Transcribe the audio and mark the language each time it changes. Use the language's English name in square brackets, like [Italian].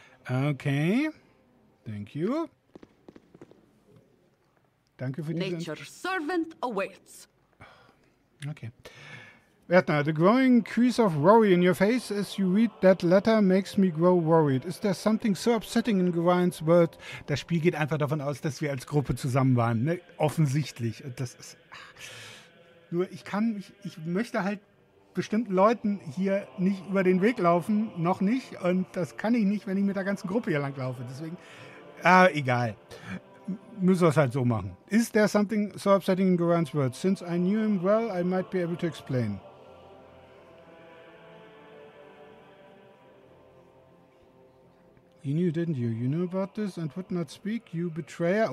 [English] Okay. Thank you. [German] Danke für diese... [English] Nature's servant awaits. Okay. Wärtner, the growing crease of worry in your face as you read that letter makes me grow worried. Is there something so upsetting in Gawain's world? [German] Das Spiel geht einfach davon aus, dass wir als Gruppe zusammen waren. Ne? Offensichtlich. Das ist... Nur, ich möchte halt bestimmten Leuten hier nicht über den Weg laufen. Noch nicht. Und das kann ich nicht, wenn ich mit der ganzen Gruppe hier lang laufe. Deswegen... egal. Müssen wir es halt so machen. [English] Is there something so upsetting in Gawain's words? Since I knew him well, I might be able to explain. You knew, didn't you? You knew about this and would not speak, you betrayer.